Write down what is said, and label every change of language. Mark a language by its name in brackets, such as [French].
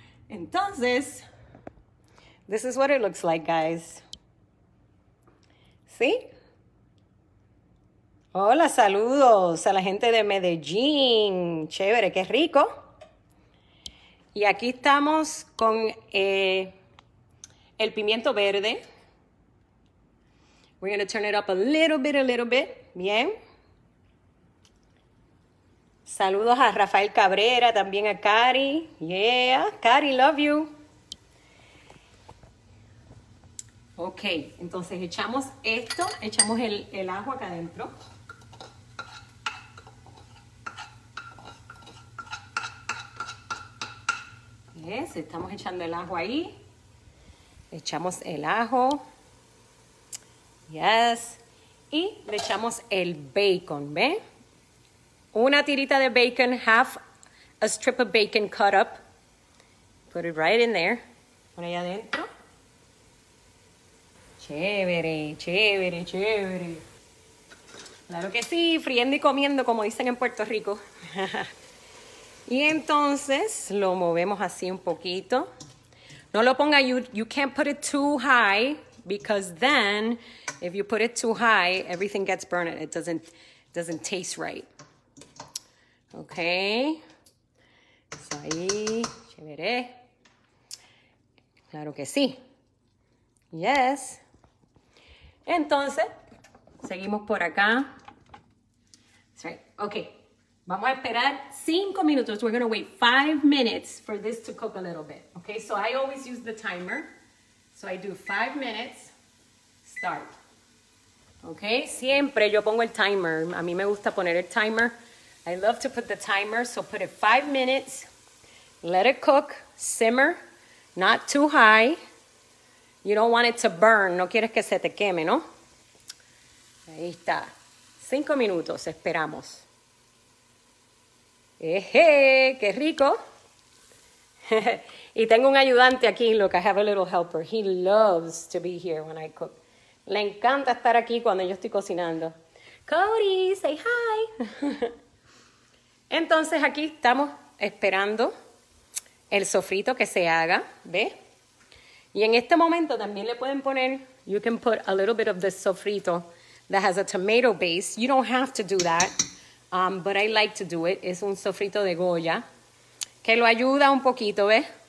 [English] Entonces, this is what it looks like, guys. See? [Spanish] Hola, saludos a la gente de Medellín. Chévere, qué rico. Y aquí estamos con el pimiento verde. [English] We're going to turn it up a little bit. [Spanish] Bien. Saludos a Rafael Cabrera, también a Cari. [English] Yeah, Cari, love you. [Spanish] Ok, entonces echamos esto, echamos el ajo acá adentro. ¿Ves? Estamos echando el ajo ahí. Echamos el ajo. Yes. Y le echamos el bacon, ¿ve? Una tirita de bacon, [English] half a strip of bacon cut up. Put it right in there. [Spanish] Por ahí adentro. Chévere, chévere, chévere. Claro que sí, friendo y comiendo, como dicen en Puerto Rico. Y entonces lo movemos así un poquito. No lo ponga, [English] you can't put it too high, because then if you put it too high, everything gets burned. It doesn't taste right. [Spanish] Okay. Eso ahí, chévere. Claro que sí. Yes. Entonces, seguimos por acá. Okay. Vamos a esperar 5 minutos. [English] We're gonna wait 5 minutes for this to cook a little bit. Okay, so I always use the timer. So I do 5 minutes, start. [Spanish] Okay, siempre yo pongo el timer. A mí me gusta poner el timer. [English] I love to put the timer, so put it 5 minutes. Let it cook, simmer, not too high. You don't want it to burn. [Spanish] No quieres que se te queme, ¿no? Ahí está. 5 minutos, esperamos. ¡Qué rico! Y tengo un ayudante aquí. [English] Look, I have a little helper. He loves to be here when I cook. [Spanish] Le encanta estar aquí cuando yo estoy cocinando. Cody, [English] say hi. [Spanish] Entonces aquí estamos esperando el sofrito que se haga, ¿ve? Y en este momento también le pueden poner, [English] you can put a little bit of the sofrito that has a tomato base. You don't have to do that, but I like to do it. [Spanish] Es un sofrito de Goya que lo ayuda un poquito, ¿ve?